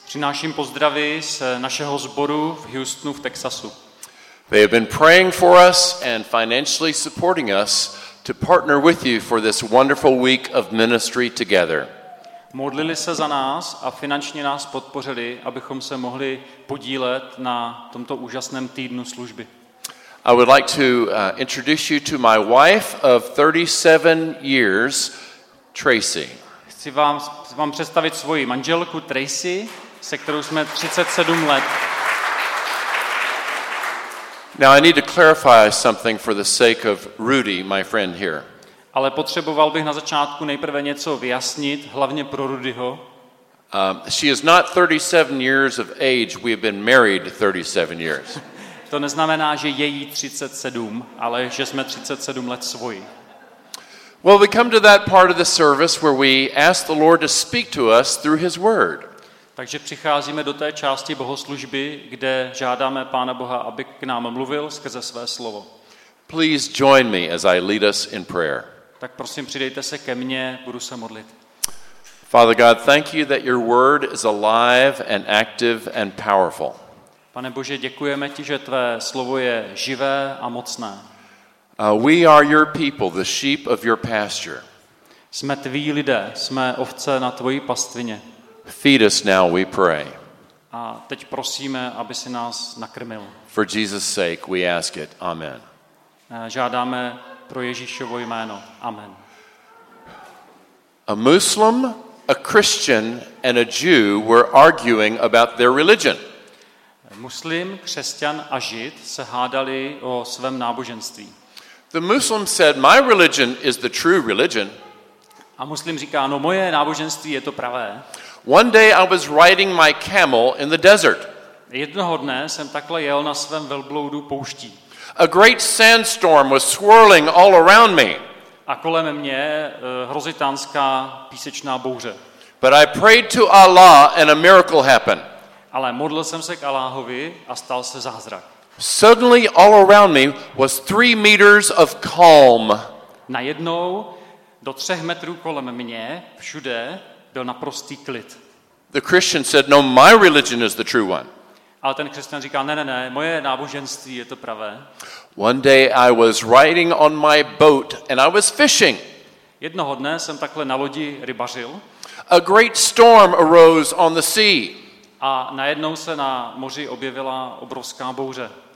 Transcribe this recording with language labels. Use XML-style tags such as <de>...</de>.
<cs>Přináším pozdravy z našeho sboru v Houstonu v Texasu.</cs> <en>They have been praying for us and financially supporting us to partner with you for this wonderful week of ministry together.</en> <cs>Modlili se za nás a finančně nás podpořili, abychom se mohli podílet na tomto úžasném týdnu služby.</cs> <en>I would like to introduce you to my wife of 37 years, Tracy.</en> <cs>Chci vám představit svoji manželku Tracy, se kterou jsme 37 let.</cs> <en>Now I need to clarify something for the sake of Rudy, my friend here.</en> <cs>Ale potřeboval bych na začátku nejprve něco vyjasnit, hlavně pro Rudyho.</cs> <en>She is not 37 years of age. We have been married 37 years.</en> <cs>To neznamená, že je jí 37, ale že jsme 37 let svoji.</cs> <en>Well, we come to that part of the service where we ask the Lord to speak to us through his word.</en> <cs>Takže přicházíme do té části bohoslužby, kde žádáme Pána Boha, aby k nám mluvil skrze své slovo.</cs> <en>Please join me as I lead us in prayer.</en> <cs>Tak prosím, přidejte se ke mně, budu se modlit.</cs> <en>Father God, thank you that your word is alive and active and powerful.</en> <cs>Pane Bože, děkujeme ti, že tvé slovo je živé a mocné.</cs> <en>We are your people, the sheep of your pasture.</en> <cs>Jsme tví lidé, jsme ovce na tvojí pastvině.</cs> <en>Feed us now, we pray.</en> <cs>A teď prosíme, aby si nás nakrmil.</cs> <en>For Jesus' sake, we ask it. Amen.</en> <cs>Žádáme pro Ježíšovo jméno. Amen.</cs> <en>A Muslim, a Christian, and a Jew were arguing about their religion.</en> <cs>Muslim, křesťan a žid se hádali o svém náboženství.</cs> <en>The Muslim said, "My religion is the true religion."</en> <cs>A muslim říká, no moje náboženství je to pravé.</cs> <en>One day I was riding my camel in the desert.</en> <cs>Jednoho dne jsem takhle jel na svém velbloudu pouští.</cs> <en>A great sandstorm was swirling all around me.</en> <cs>A kolem mě hrozitánská písečná bouře.</cs> <en>But I prayed to Allah and a miracle happened.</en> <cs>Ale modlil jsem se k Aláhovi a stal se zázrak.</cs> <en>Suddenly all around me was 3 meters of calm.</en> <cs>Najednou do 3 metrů kolem mě všude byl naprostý klid.</cs> <en>The Christian said, "No, my religion is the true one."</en> <cs>Ale ten křesťan říká, ne, moje náboženství je to pravé.</cs> <en>One day I was riding on my boat and I was fishing.</en> <cs>Jednoho dne jsem takhle na lodi rybařil.</cs> <en>A great storm arose on the sea.</en> <cs>A najednou se na moři objevila obrovská bouře.</cs>